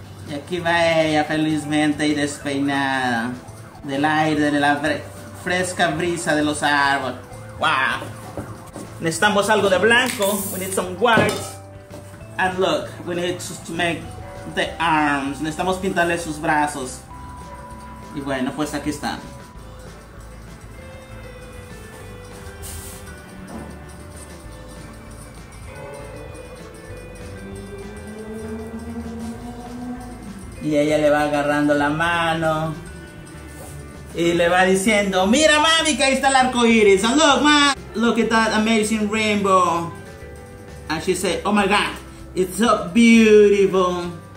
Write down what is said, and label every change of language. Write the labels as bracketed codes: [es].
[es] Y aquí va ella felizmente y despeinada. Del aire, de la fresca brisa de los árboles. Wow. Necesitamos algo de blanco. [en] We need some white. And look, we need to make the arms. [es] Necesitamos pintarle sus brazos. Y bueno, pues aquí están. Y ella le va agarrando la mano. Y le va diciendo, mira mami, que ahí está el arco iris. [en] And look, ma, look at that amazing rainbow. And she said, oh my God, it's so beautiful.